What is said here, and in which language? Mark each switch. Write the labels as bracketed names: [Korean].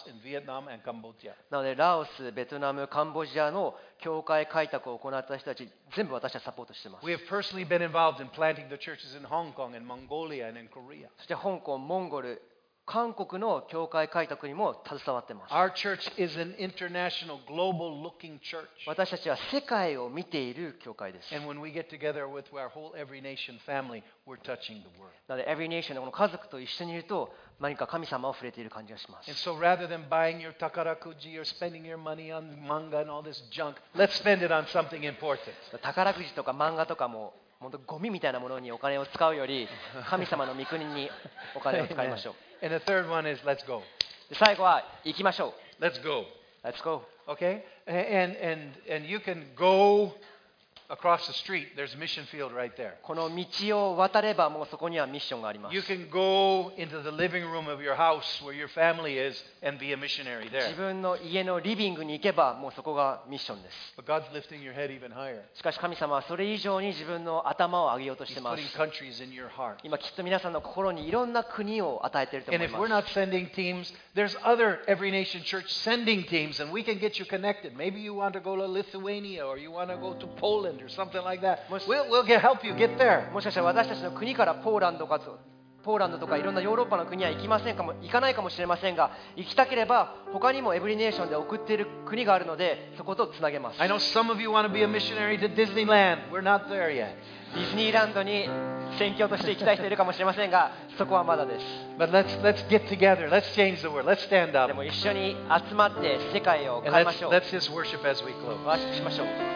[English] In Vietnam and Cambodia. [Japanese] なのでラオス、ベトナム、カンボジアの教会開拓を行った人たち全部私たちサポートしています。 [English] We have personally been involved in planting the churches in Hong Kong and Mongolia and in Korea. [Japanese] そして香港、モンゴル、韓国の教会開拓にも携わっています。 [English] Our church is an international, global-looking church. [Japanese] 私たちは世界を見ている教会です。 [English] And when we get together with our whole Every Nation family, we're touching the world. [Japanese] なので Every Nation のこの家族と一緒にいると。何か神様を触れている感じがします。 [English] And so rather than buying your takarakuji or spending your money on manga and all this junk, let's spend it on something important. [Japanese] 宝くじとか漫画とかも本当ゴミみたいなものにお金を使うより、神様の御国にお金を使いましょう。 [English] And the third one is let's go. [Japanese] 最後は行きましょう。 [English] Let's go. Let's go. Okay. And you can go. Across the street, there's a mission field right there. [Japanese] この道を渡ればもうそこにはミッションがあります。 [English] You can go into the living room of your house where your family is and be a missionary there. [Japanese] 自分の家のリビングに行けばもうそこがミッションです。 [English] But God's lifting your head even higher. [Japanese] しかし神様はそれ以上に自分の頭を上げようとしてます。 [English] He's putting countries in your heart. [Japanese] 今きっと皆さんの心にいろんな国を与えていると思います。 [English] And if we're not sending teams, there's other Every Nation Church sending teams, and we can get you connected. Maybe you want to go to Lithuania or you want to go to Poland.Or something like that. We'll help you get there. [Japanese] もしかしたら私たちの国からポーランドかとポーランドとかいろんなヨーロッパの国は行きませんかも、行かないかもしれませんが、行きたければ他にもエブリネーションで送っている国があるので、そことつなげます。 [English] I know some of you want to be a missionary to Disneyland. We're not there yet. [Japanese] ディズニーランドに宣教として行きたい人いるかもしれませんが、そこはまだです。 [English] But let's get together. Let's change the world. Let's stand up. [Japanese] でも一緒に集まって世界を変えましょう。 [English] Let's just worship as we close. [Japanese] ワーシップしましょう。